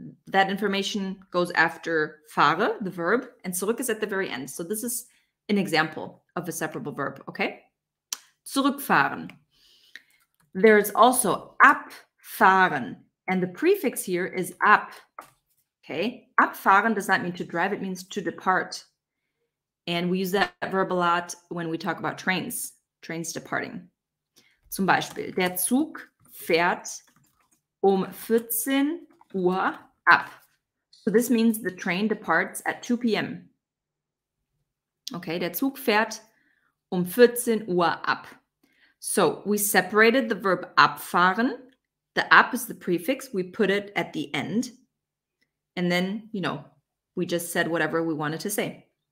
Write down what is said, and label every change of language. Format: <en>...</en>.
<en>That information goes after fahre, the verb, and zurück is at the very end. So this is an example of a separable verb, okay? Zurückfahren. There is also abfahren, and the prefix here is ab, Okay. Abfahren does not mean to drive. It means to depart. And we use that verb a lot when we talk about trains, trains departing.</en> <de>Zum Beispiel, der Zug fährt um 14 Uhr ab.</de> <en>So this means the train departs at 2 p.m.</en> <de>Okay, der Zug fährt um 14 Uhr ab.</de> <en>So we separated the verb abfahren. The ab is the prefix. We put it at the end. And then, you know, we just said whatever we wanted to say.</en>